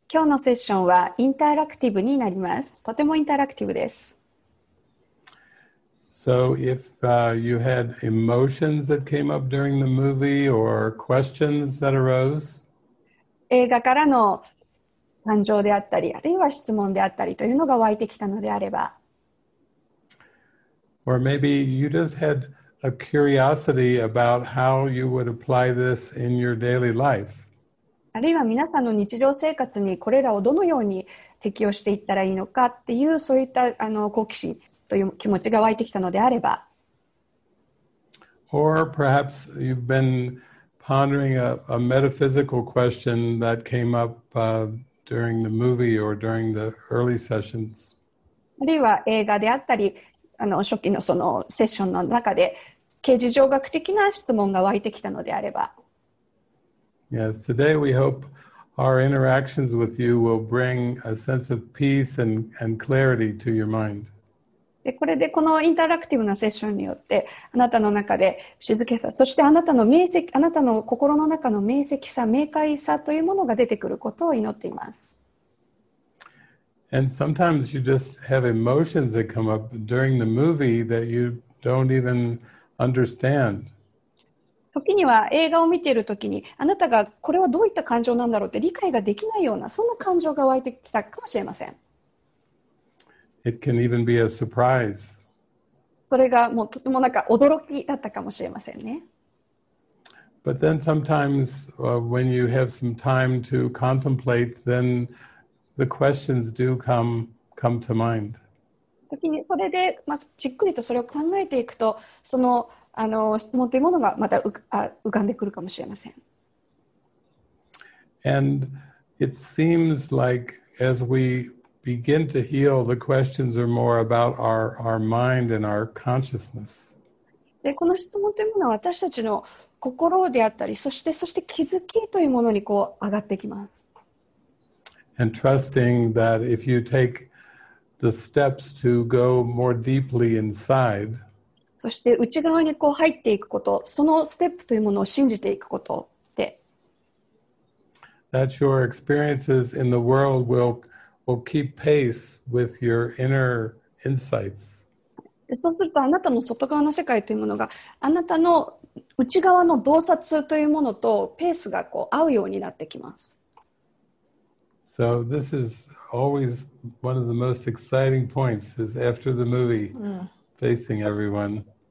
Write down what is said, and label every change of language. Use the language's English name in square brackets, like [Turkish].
[Japanese] 今日のセッションはインタラクティブになります。とてもインタラクティブです。 [English] So if you had emotions that came up during the movie or questions that arose, [Japanese] 映画からの感情であったり、あるいは質問であったりというのが湧いてきたのであれば、 [English] Or maybe you just had a curiosity about how you would apply this in your daily life. [Japanese] あるいは皆さんの日常生活にこれらをどのように適用していったらいいのかっていう、そういった好奇心という気持ちが湧いてきたのであれば、 [English] Or perhaps you've been pondering a metaphysical question that came up during the movie or during the early sessions. [Japanese] あるいは映画であったり、初期のそのセッションの中で、形而上学的な質問が湧いてきたのであれば。 [English] Yes, today we hope our interactions with you will bring a sense of peace and clarity to your mind. [Japanese] で、これでこのインタラクティブなセッションによって、あなたの中で静けさ、そしてあなたの明晰、あなたの心の中の明晰さ、明快さというものが出てくることを祈っています。 [English] And sometimes you just have emotions that come up during the movie that you don't even understand. [Japanese] 時には映画を見ている時に、あなたがこれはどういった感情なんだろうって理解ができないような、そんな感情が湧いてきたかもしれません。 [English] It can even be a surprise. [Japanese] それがもうとてもなんか驚きだったかもしれませんね。 [English] But then sometimes, when you have some time to contemplate, then the questions do come to mind. [Japanese] 時にそれで、まあ、じっくりとそれを考えていくと、その、質問というものがまた浮かんでくるかもしれません。 [English] And it seems like as we begin to heal, the questions are more about our mind and our consciousness. [Japanese] で、この質問というものは私たちの心であったり、そして気づきというものにこう上がってきます。 [English] And trusting that if you take the steps to go more deeply inside, [Japanese] そして内側にこう入っていくこと、そのステップというものを信じていくことで、 [English] that your experiences in the world will keep pace with your inner insights. [Japanese] そうするとあなたの外側の世界というものが、あなたの内側の洞察というものとペースがこう合うようになってきます。 [English] So this is always one of the most exciting points is after the movie, facing everyone.